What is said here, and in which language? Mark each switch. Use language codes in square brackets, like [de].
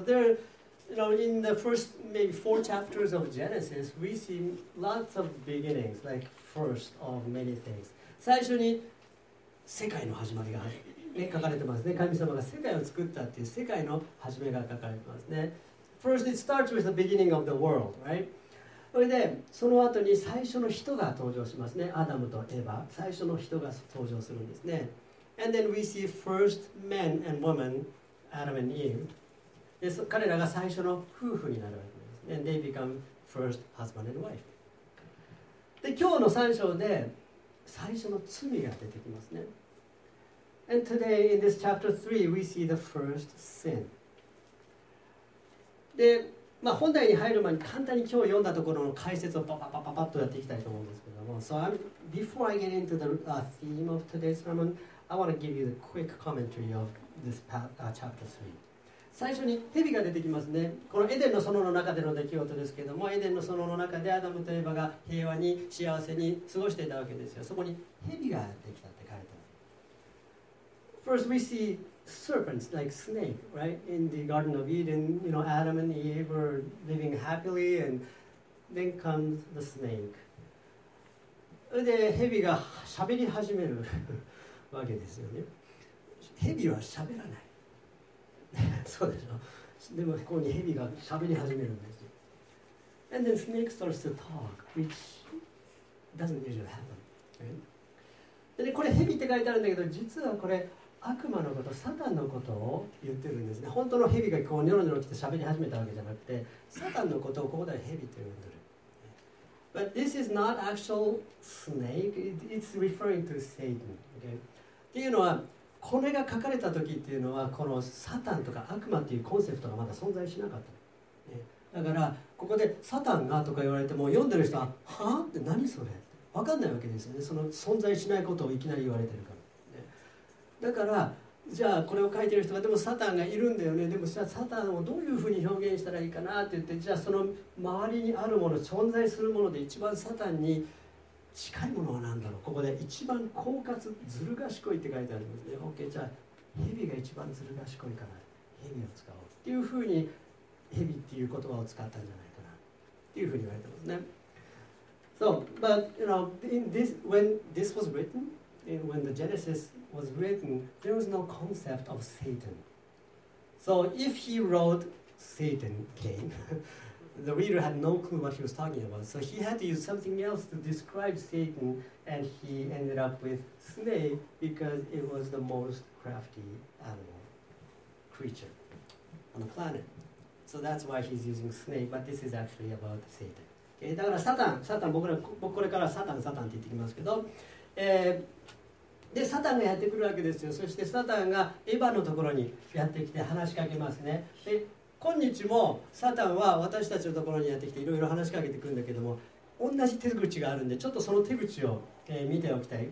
[en] So thereYou know, in the first maybe four chapters of Genesis, we see lots of beginnings, like first of many things. [ja] 最初に世界の始まりが、ね、書かれてますね。神様が世界を作ったっていう世界の始めが書かれてますね。 [en] First, it starts with the beginning of the world, right? [ja] それで、その後に最初の人が登場しますね。アダムとエヴァ、最初の人が登場するんですね。 [en] And then we see first man and woman, Adam and Eve. [ja] で、彼らが最初の夫婦になるわけです。 [en] And they become first husband and wife. [ja] で、今日の3章で最初の罪が出てきますね。 [en] And today in this chapter 3, we see the first sin. [ja] で、まあ、本題に入る前に簡単に今日読んだところの解説をパパパパパッとやっていきたいと思うんですけども。 [en] So before I get into the theme of today's sermon, I want to give you the quick commentary of this chapter 3. [ja] 最初に蛇が出てきますね。このエデンの園の中での出来事ですけれども、エデンの園の中でアダムとエヴァが平和に幸せに過ごしていたわけですよ。そこに蛇ができたって書いてある。 [en] First we see serpents like snake, right? In the Garden of Eden, you know, Adam and Eve were living happily, and then comes the snake. [ja] で、蛇が喋り始めるわけですよね。蛇は喋らない。そうでしょ。でもここに蛇が喋り始めるんですよ。 [en] And then snake starts to talk, which doesn't usually happen.、Right? [ja] で、これ蛇って書いてあるんだけど、実はこれ悪魔のこと、サタンのことを言ってるんですね。本当の蛇がこうニョロニョロって喋り始めたわけじゃなくて、サタンのことをここで蛇って呼んでる。 [en] But this is not actual snake. It's referring to Satan. Okay. [ja] っていうのは、これが書かれた時っていうのは、このサタンとか悪魔っていうコンセプトがまだ存在しなかった、ね、だからここでサタンがとか言われても、読んでる人は、はぁって、何それ分かんないわけですよね。その存在しないことをいきなり言われてるから、ね、だからじゃあこれを書いてる人が、でもサタンがいるんだよね、でもじゃあサタンをどういうふうに表現したらいいかなって言って、じゃあその周りにあるもの、存在するもので一番サタンに近いものは何だろう。ここで一番狡猾、ずる賢いって書いてあるんですね。OK、 じゃあ蛇が一番ずる賢いから、蛇を使おうっていうふうに、蛇っていう言葉を使ったんじゃないかなっていうふうに言われてますね。 [en] So, but you know, in this, when this was written, when the Genesis was written, there was no concept of Satan. So if he wrote Satan came, the reader had no clue what he was talking about, so he had to use something else to describe Satan, and he ended up with snake because it was the most crafty animal creature on the planet. So that's why he's using snake, but this is actually about Satan. [ja] Okay, だからサタン、サタン、僕これからサタン、サタンって言ってきますけど、でサタンがやってくるわけですよ。そしてサタンがエヴァのところにやってきて話しかけますね。で今日もサタンは私たちのところにやってきていろいろ話しかけてくるんだけども、同じ手口があるんで、ちょっとその手口を、見ておきたい。